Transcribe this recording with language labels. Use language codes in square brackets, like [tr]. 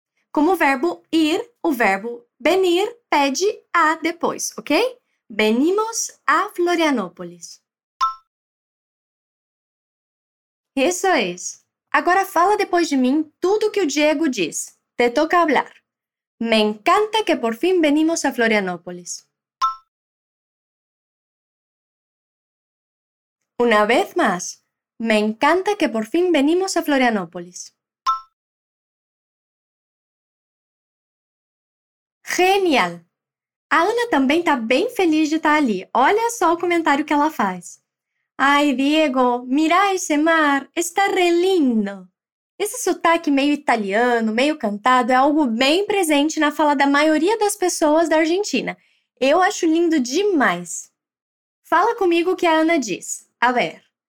[pt] Como verbo ir, o verbo venir pede a depois, ok? [es] Venimos a Florianópolis. [pt] Isso é isso. Agora fala depois de mim tudo o que o Diego diz. [es] Te toca hablar. Me encanta que por fin venimos a Florianópolis. Una vez más. Me encanta que por fin venimos a Florianópolis. Genial! A Ana también está bien feliz de estar allí. [pt] Olha só o comentario que ella faz. [es] Ay, Diego, mira ese mar. Está re lindo. [pt] Esse sotaque meio italiano, meio cantado, é algo bem presente na fala da maioria das pessoas da Argentina. Eu acho lindo demais. Fala comigo o que a Ana diz. A ver.